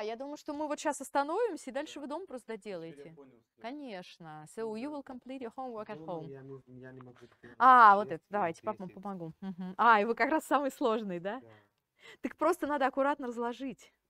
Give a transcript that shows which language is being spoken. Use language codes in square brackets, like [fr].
[ru] Я думаю, что мы вот сейчас остановимся, и дальше вы дом просто доделаете. Конечно. [en] So you will complete your homework at home. [ru] А, вот это. Давайте, папа, помогу. Mm-hmm. А, и вы как раз самый сложный, да? Так просто надо аккуратно разложить.